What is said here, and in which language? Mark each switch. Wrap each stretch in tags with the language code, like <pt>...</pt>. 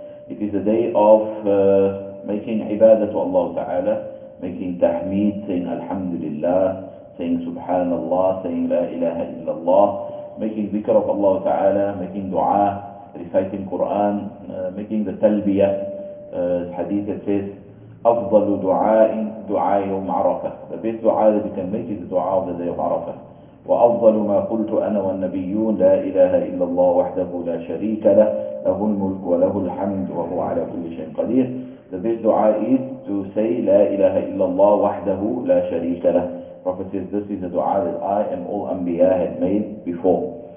<en>It is the day of making ibadah to Allah Ta'ala, making tahmeed, saying Alhamdulillah, saying Subhanallah, saying La ilaha illallah, making dhikr of Allah Ta'ala, making dua, reciting Quran, making the talbiyah, hadith that says</en> <ar>أفضل دعاء دعاء يوم عرفة.</ar> <en>The best dua that you can make is the dua of the day of Arafah.</en> <ar>وأفضل ما قلت أنا والنبيون لا إله إلا الله وحده لا شريك له له الملك وله الحمد وهو على كل شيء قدير.</ar> <en>The best dua is to say</en> <ar>لا إله إلا الله وحده لا شريك له.</ar> <en>Prophet says this is the dua that I and all Anbiya had made before.</en>